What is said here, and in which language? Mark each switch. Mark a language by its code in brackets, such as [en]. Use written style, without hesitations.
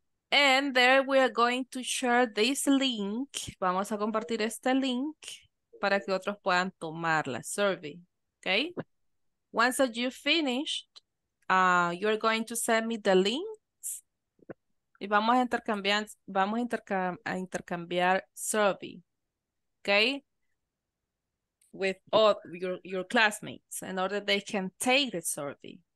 [en] And there we are going to share this link. [es] Vamos a compartir este link para que otros puedan tomar la survey. [en] Okay? Once that you finished, you are going to send me the links. [es] Y vamos a intercambiar survey. Okay? [en] With all your classmates in order they can take the survey.